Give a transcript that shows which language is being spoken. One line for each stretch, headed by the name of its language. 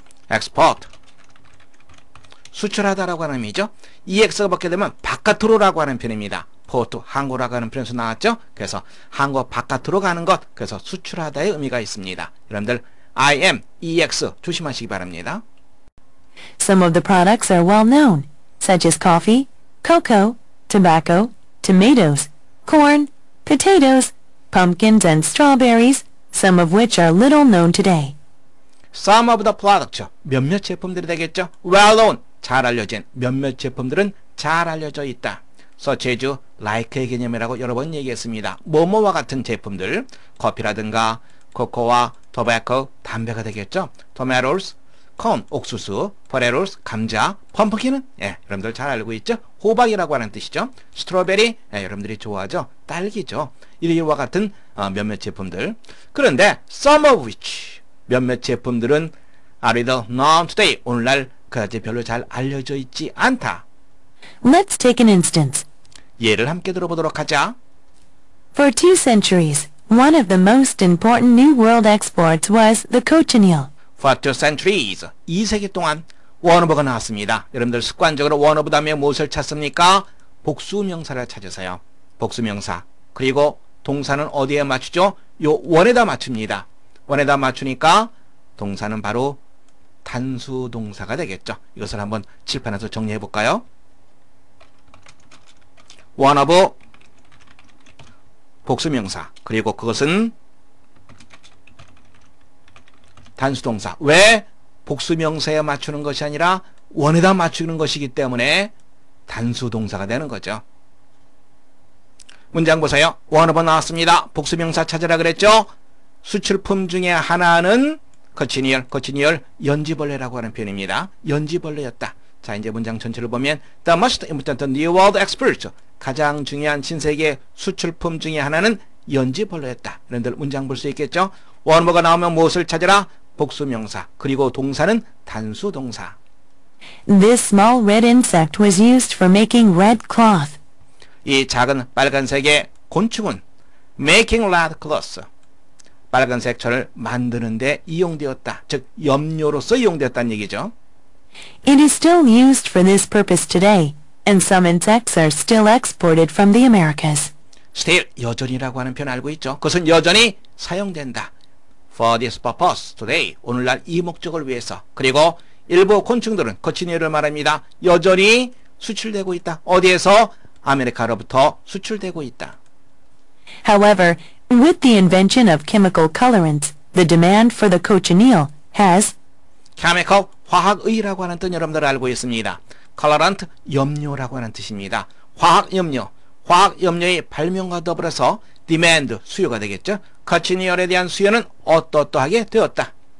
Korean: export, 수출하다라고 하는 의미죠. EX가 붙게 되면 바깥으로라고 하는 편입니다. 포트, 항구라고 하는 표현에서 나왔죠. 그래서 항구 바깥으로 가는 것. 그래서 수출하다의 의미가 있습니다. 여러분들 IM, EX 조심하시기 바랍니다.
English: Some of the products are well known, such as coffee, cocoa, tobacco, tomatoes, corn, potatoes, pumpkins, and strawberries, some of which are little known today. Some of the products,
Korean: 몇몇 제품들이 되겠죠.
English: Well known,
Korean: 잘 알려진 몇몇 제품들은 잘 알려져 있다. Such as, like의 개념이라고 여러 번 얘기했습니다. 뭐뭐와 같은 제품들, 커피라든가 코코아, 토베코, 담배가 되겠죠. Tomatoes, 콘, 옥수수, 포레로스, 감자, 펌프킨은, 예, 여러분들 잘 알고 있죠? 호박이라고 하는 뜻이죠? 스트로베리, 예, 여러분들이 좋아하죠? 딸기죠? 이와 같은 몇몇 제품들. 그런데,
English: some of which,
Korean: 몇몇 제품들은
English: are little known today,
Korean: 오늘날 그다지 별로 잘 알려져 있지 않다.
English: Let's take an instance.
Korean: 예를 함께 들어보도록 하자.
English: For two centuries, one of the most important new world exports was the cochineal. For two centuries,
Korean: 2세기 동안 one of가 나왔습니다. 여러분들 습관적으로 one of 다음에 무엇을 찾습니까? 복수명사를 찾으세요. 복수명사. 그리고 동사는 어디에 맞추죠? 요 one에다 맞춥니다. one에다 맞추니까 동사는 바로 단수동사가 되겠죠. 이것을 한번 칠판에서 정리해볼까요? one of 복수명사. 그리고 그것은 단수동사. 왜? 복수명사에 맞추는 것이 아니라 원에다 맞추는 것이기 때문에 단수동사가 되는 거죠. 문장 보세요. 원어버 나왔습니다. 복수명사 찾으라 그랬죠? 수출품 중에 하나는 거치니얼. 거치니얼, 연지벌레라고 하는 표현입니다. 연지벌레였다. 자, 이제 문장 전체를 보면
English: The most important new world export.
Korean: 가장 중요한 신세계 수출품 중에 하나는 연지벌레였다. 여러분들 문장 볼 수 있겠죠? 원어버가 나오면 무엇을 찾으라? 복수명사. 그리고 동사는 단수동사.
English: This small red insect was used for making red cloth.
Korean: 이 작은 빨간색의 곤충은
English: making red cloth.
Korean: 빨간색 철을 만드는 데 이용되었다. 즉 염료로서 이용되었다는 얘기죠.
English: It is still used for this purpose today, and some insects are still exported from the Americas.
Korean: Still, 여전히라고 하는 표현 알고 있죠. 그것은 여전히 사용된다.
English: For this purpose today,
Korean: 오늘날 이 목적을 위해서. 그리고 일부 곤충들은 거치니얼을 말합니다. 여전히 수출되고 있다. 어디에서? 아메리카로부터 수출되고 있다.
English: However, with the invention of chemical colorants, the demand for the cochineal has
Korean: chemical, 화학의라고 하는 뜻 여러분들 알고 있습니다. colorant, 염료라고 하는 뜻입니다. 화학염료, 화학염료의 발명과 더불어서 demand, 수요가 되겠죠. 거치니얼에 대한 수요는 어떠어떠하게 되었다.